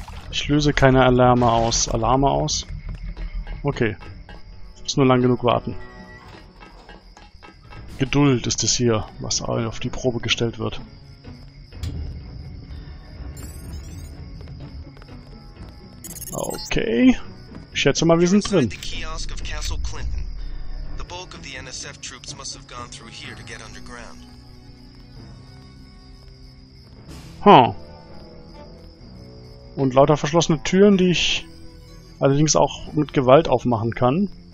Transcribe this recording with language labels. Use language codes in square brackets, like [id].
[de] Ich löse keine Alarme aus. Okay. Muss nur lang genug warten. Geduld ist es hier, was auf die Probe gestellt wird. Okay. Ich schätze mal, wir sind drin. [en] The kiosk of Castle Clinton. The bulk of the NSF troops must have gone through here to get underground. Huh. [de] Und lauter verschlossene Türen, die ich allerdings auch mit Gewalt aufmachen kann.